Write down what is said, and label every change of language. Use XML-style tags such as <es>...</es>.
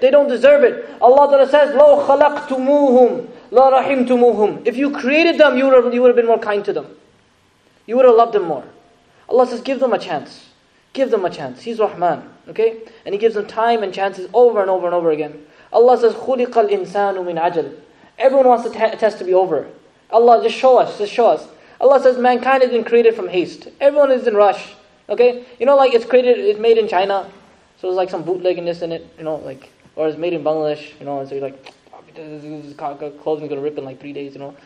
<en>They don't deserve it. Allah Ta'ala says,</en> <ar>لو خلقتموهم لرحمتموهم.</ar> <en>If you created them, you would have been more kind to them. You would have loved them more. Allah says, give them a chance. Give them a chance. He's Rahman. Okay? And He gives them time and chances over and over and over again. Allah says,</en> <ar>خلق الإنسان من عجل.</ar> <en>Everyone wants the test to be over. Allah, just show us, just show us. Allah says, mankind has been created from haste. Everyone is in rush. Okay? You know, like, it's made in China. So there's like some bootlegginess in it, you know, like, or it's made in Bangladesh, you know, and so you're like, this clothing's gonna rip in like 3 days, you know.</en>